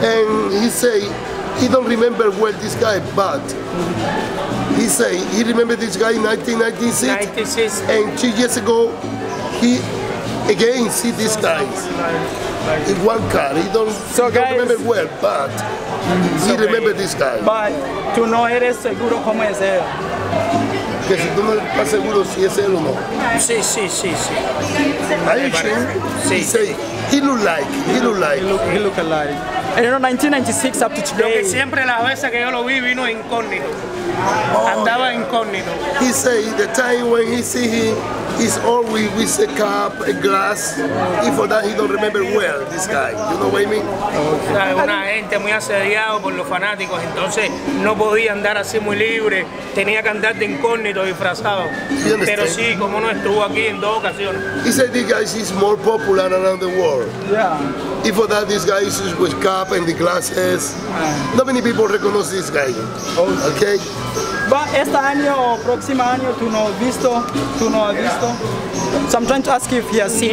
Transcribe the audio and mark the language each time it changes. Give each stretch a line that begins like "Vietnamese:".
English: And he say he don't remember where this guy, but he say he remember this guy in 1996. 96. And 2 years ago, he again see these guys in one car. He don't remember where, but he remember this guy. But
Spanish: tú no eres seguro cómo es él. Que si tú no estás seguro si es él o no. Sí.
English: Are you sure?
Spanish: Sí.
English: He look alike. And you know, 1996 up to today.
Spanish: Lo que siempre las veces que yo lo vi vino incógnito. Oh, andaba incógnito.
English: He say the time when he see him is always with a cup, a glass.
Spanish: Y
English: for that he don't remember well, this guy. You know what I mean? Okay.
Spanish: Una gente muy asediado por los fanáticos, entonces no podía andar así muy libre. Tenía que andar de incógnito, disfrazado. Pero sí, como no estuvo aquí en dos ocasiones.
English: He say this guy is more popular around the world. Yeah. If for that, this guy is with cap and the glasses. Not many people recognize this guy. Okay. But
Spanish: este año o próximo año tú no has visto.
English: So I'm trying to ask you if he has seen.